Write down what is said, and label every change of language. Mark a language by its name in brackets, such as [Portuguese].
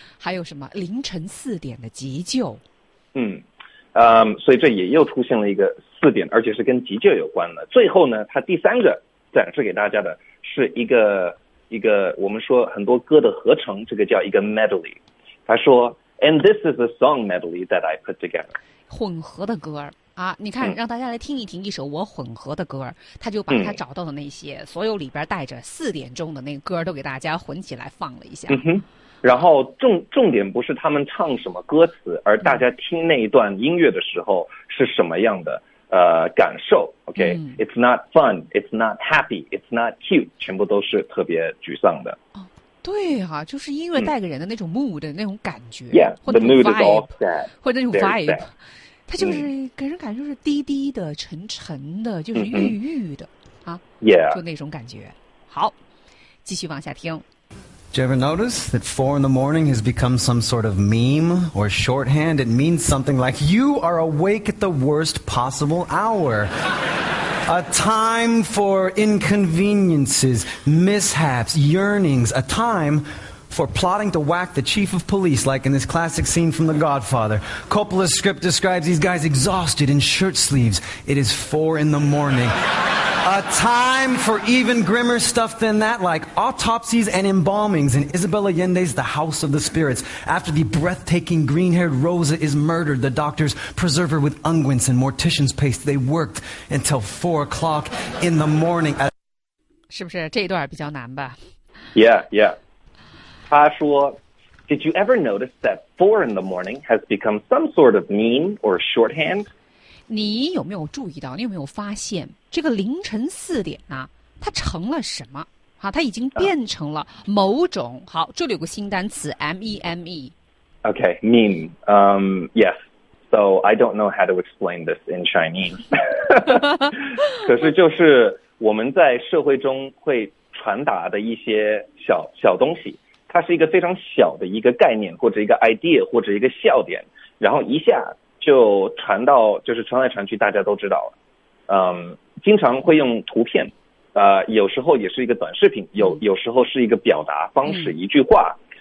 [Chinese] 还有什么凌晨四点的急救？所以这也又出现了一个四点，而且是跟急救有关的。最后呢，他第三个展示给大家的是一个我们说很多歌的合成，这个叫一个 medley。他说 [English] ，And this is a song medley that I put together. [Chinese] 混合的歌啊，你看，让大家来听一听一首我混合的歌，他就把他找到的那些所有里边带着四点钟的那个歌都给大家混起来放了一下。嗯哼，然后重点不是他们唱什么歌词，而大家听那一段音乐的时候是什么样的感受。 [English] OK，It's not fun, it's not happy, it's not cute， [Chinese] 全部都是特别沮丧的。哦，对啊，就是音乐带给人的那种 mood 那种感觉。 [English] Yeah, the mood is all sad. [Chinese] 或者那种 vibe。它就是给人感觉是滴滴的、沉沉的，就是郁郁的啊， yeah. 就那种感觉。好，继续往下听。 [English] Did you ever notice that four in the morning has become some sort of meme or shorthand? It means something like you are awake at the worst possible hour. A time for inconveniences, mishaps, yearnings, a time... for plotting to whack the chief of police, like in this classic scene from The Godfather. Coppola's script describes these guys exhausted in shirt sleeves. It is four in the morning. A time for even grimmer stuff than that, like autopsies and embalmings in Isabel Allende's The House of the Spirits. After the breathtaking green-haired Rosa is murdered, the doctors preserve her with unguents and mortician's paste. They worked until 4 o'clock in the morning. [Chinese] 是不是这一段比较难吧 Yeah, yeah. 他说 [English] Did you ever notice that four in the morning has become some sort of meme or shorthand? [Chinese] 你有没有注意到你有没有发现这个凌晨四点啊它成了什么啊它已经变成了某种、好这里有个新单词 meme. [English] Okay, meme. Yes. So I don't know how to explain this in Chinese. [Chinese] 可是就是我们在社会中会传达的一些小小东西。它是一个非常小的一个概念或者一个 idea 或者一个笑点，然后一下就传到，就是传来传去，大家都知道了。嗯，经常会用图片，有时候也是一个短视频，有时候是一个表达方式，一句话。